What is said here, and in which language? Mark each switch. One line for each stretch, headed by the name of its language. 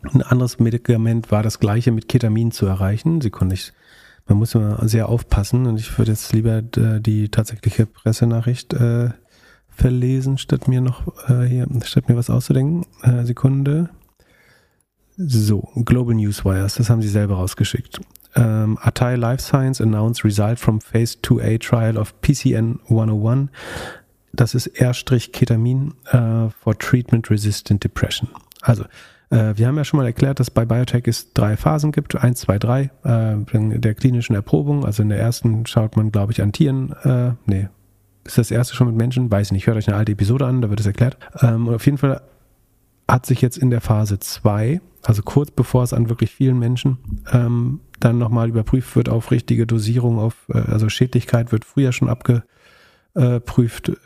German: Ein anderes Medikament war das gleiche mit Ketamin zu erreichen. Man muss immer sehr aufpassen und ich würde jetzt lieber die tatsächliche Pressenachricht verlesen, statt mir was auszudenken. Sekunde. So, Global News Wires, das haben sie selber rausgeschickt.
English: Atai Life Science announced result from Phase 2A trial of PCN-101.
German: Das ist R-Ketamin
English: for treatment-resistant depression.
German: Also, wir haben ja schon mal erklärt, dass bei Biotech es drei Phasen gibt. 1, 2, 3 der klinischen Erprobung. Also in der ersten schaut man, glaube ich, an Tieren. Ist das erste schon mit Menschen? Weiß ich nicht. Hört euch eine alte Episode an, da wird es erklärt. Und auf jeden Fall hat sich jetzt in der Phase 2, also kurz bevor es an wirklich vielen Menschen dann nochmal überprüft wird auf richtige Dosierung, also Schädlichkeit wird früher schon abgeprüft.